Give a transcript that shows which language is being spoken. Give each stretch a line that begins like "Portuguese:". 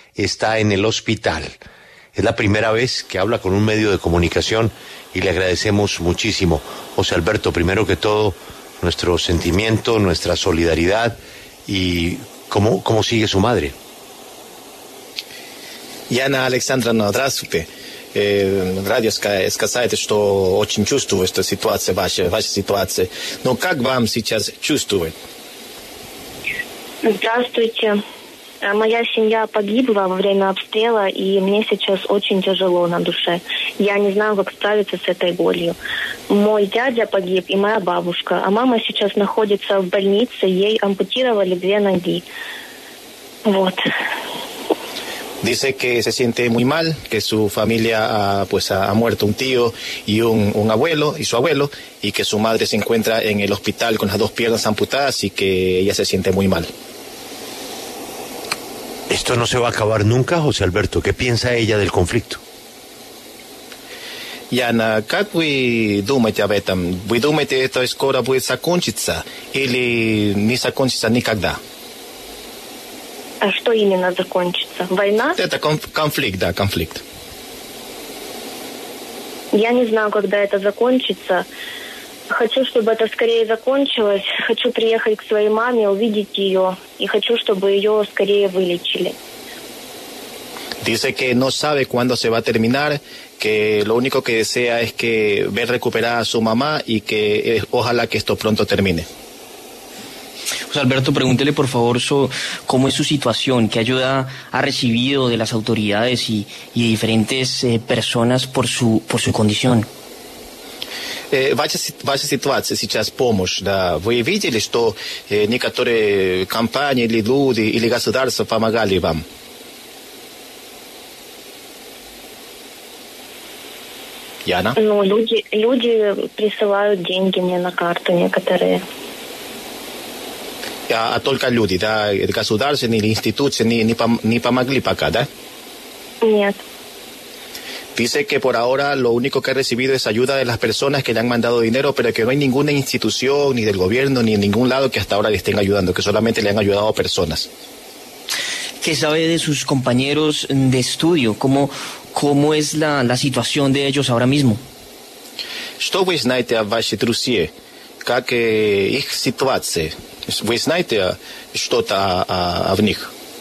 Spanish: Está en el hospital. Es la primera vez que habla con un medio de comunicación y le agradecemos muchísimo. José Alberto, primero que todo, nuestro sentimiento, nuestra solidaridad. ¿Y cómo sigue su madre?
Russian: Yana Alexandrovna, здравствуйте. Радио сказать, что очень чувствую эту ситуацию, ваша ситуация. Но как вам сейчас чувствовать? Здравствуйте. Моя семья погибла во время обстрела, и мне сейчас очень тяжело на душе. Я не знаю, как справиться с этой болью. Мой дядя погиб и моя бабушка, а мама сейчас находится в больнице, ей ампутировали две ноги. Вот.
Spanish: Dice que se siente muy mal, que su familia ha muerto un tío y un abuelo y su abuelo, y que su madre se encuentra en el hospital con las dos piernas amputadas y que ella se siente muy mal. Esto no se va a acabar nunca, José Alberto. ¿Qué piensa ella del conflicto?
Russian: Yana, как вы думаете об этом? Вы думаете, это скоро будет закончиться или не закончится никогда? А что именно закончится? Война? Это конфликт, да, конфликт. Я не знаю, когда это закончится. Хочу, чтобы это скорее закончилось. Хочу приехать к своей маме, увидеть ее. И хочу, чтобы ее скорее вылечили.
Spanish: Dice que no sabe cuándo se va a terminar, que lo único que desea es que ver recuperada a su mamá y que ojalá que esto pronto termine. Pues Alberto, pregúntele por favor cómo es su situación, qué ayuda ha recibido de las autoridades y de diferentes personas por su condición.
Russian: Ваша ситуация сейчас помощь, да. Вы видели, что некоторые компании или люди, или государства помогали вам? Яна? Ну, люди присылают деньги мне на карту некоторые. А только люди, да? Государства или институции не помогли пока, да? Нет.
Spanish: Dice que por ahora lo único que ha recibido es ayuda de las personas que le han mandado dinero, pero que no hay ninguna institución, ni del gobierno, ni en ningún lado que hasta ahora le estén ayudando, que solamente le han ayudado personas. ¿Qué sabe de sus compañeros de estudio? ¿Cómo es la situación de ellos ahora mismo?
Russian: Что вы знаете о ваших друзьях? Как их ситуация? Вы знаете что-то о них?